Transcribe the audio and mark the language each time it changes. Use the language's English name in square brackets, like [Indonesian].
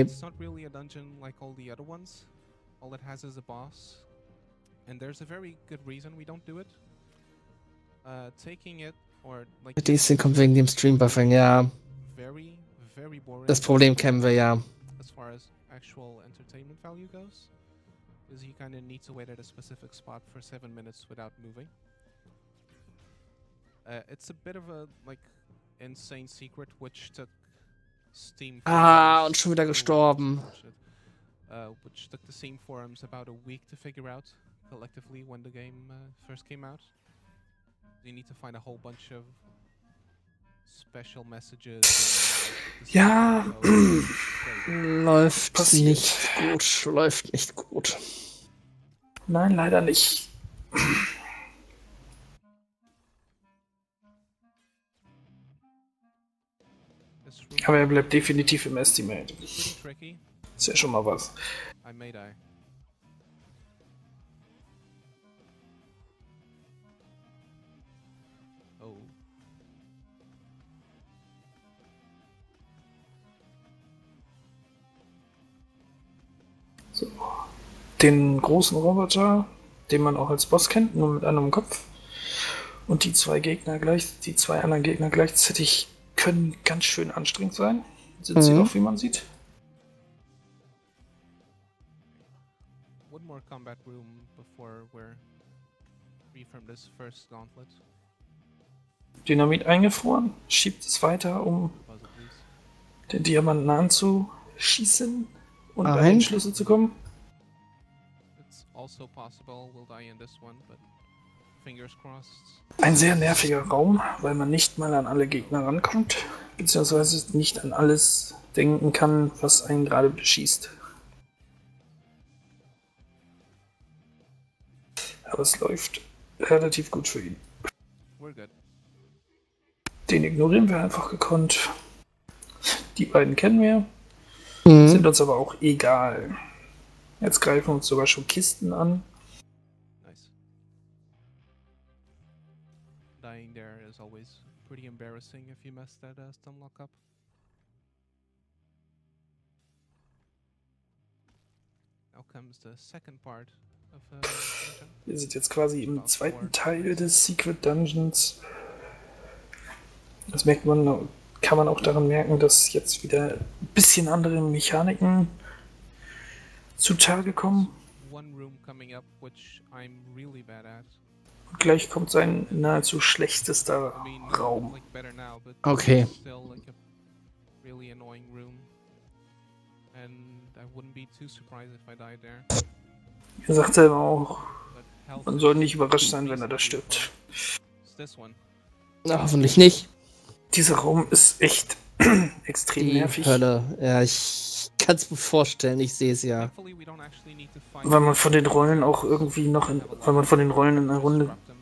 [English] It's not really a dungeon like all the other ones. All it has is a boss. And there's a very good reason we don't do it. Taking it or like this thing [German] kommt wegen dem Stream Buffing, ja. [English] Very, very boring. [German] Das Problem kennen wir ja. [English] As far as actual entertainment value goes. Is he kind of need to wait at a specific spot for 7 minutes without moving. It's a bit of a like insane secret which took Steam forums. [German] Ah, und schon wieder gestorben. [English] Which took the Steam forums about a week to figure out collectively when the game first came out. You need to find a whole bunch of special messages. [German] Ja, läuft nicht gut, läuft nicht gut. Nein, leider nicht. Aber er bleibt definitiv im Estimate. Ist ja schon mal was. So. Den großen Roboter, den man auch als Boss kennt, nur mit einem Kopf. Und die zwei Gegner gleichzeitig können ganz schön anstrengend sein. Sind sie doch, wie man sieht. [English] One more combat room before we're free from this first gauntlet. [German] Dynamit eingefroren, schiebt es weiter, um den Diamanten anzuschießen und an den Schlüssel zu kommen. [English] Also possible we'll die in this one, but fingers crossed. [German] Ein sehr nerviger Raum, weil man nicht mal an alle Gegner rankommt, beziehungsweise nicht an alles denken kann, was einen gerade beschießt. Aber es läuft relativ gut für ihn. [English] We're good. [German] Den ignorieren wir einfach gekonnt. Die beiden kennen wir, sind uns aber auch egal. Jetzt greifen uns sogar schon Kisten an. [English] Nice. Dying there is always pretty embarrassing if you mess that stun lock up. Now comes the second part of the dungeon. [German] Wir sind jetzt quasi im zweiten Teil des Secret Dungeons. Das merkt man, kann man auch daran merken, dass jetzt wieder ein bisschen andere Mechaniken zutage kommen. [English] One room coming up, which I'm really bad at. [German] Und gleich kommt sein nahezu schlechtester Raum. [English] Okay. Still like a really annoying room. And I wouldn't be too surprised if I died there. [German] Er sagt selber auch, man soll nicht überrascht sein, wenn er da stirbt. [English] This one. [German] Na, hoffentlich nicht. Dieser Raum ist echt extrem die nervig. Hölle. Ja, ich kann es mir vorstellen, ich sehe es ja. Weil man von den Rollen auch irgendwie noch in. Weil man von den Rollen in einer Runde.